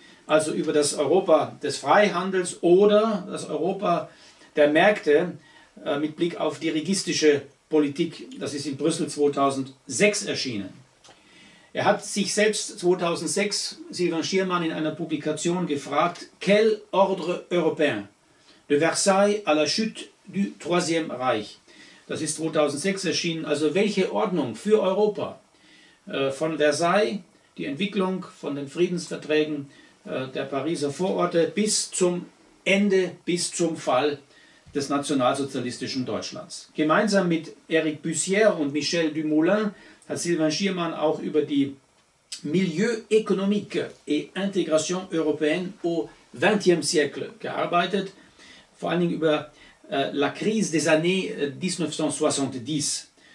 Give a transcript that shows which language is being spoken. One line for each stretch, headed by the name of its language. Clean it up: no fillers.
German: Also über das Europa des Freihandels oder das Europa der Märkte mit Blick auf dirigistische Politik. Das ist in Brüssel 2006 erschienen. Er hat sich selbst 2006, Sylvain Schirmann, in einer Publikation gefragt,
French: Quel ordre européen? De Versailles à la chute du Troisième Reich.
German: Das ist 2006 erschienen. Also welche Ordnung für Europa? Von Versailles, die Entwicklung von den Friedensverträgen der Pariser Vororte bis zum Ende, bis zum Fall des nationalsozialistischen Deutschlands. Gemeinsam mit Eric Bussière und Michel Dumoulin hat Sylvain Schirmann auch über die
French: Milieu économique et intégration européenne au XXe siècle
German: gearbeitet, vor allen Dingen über
French: La crise des années 1970.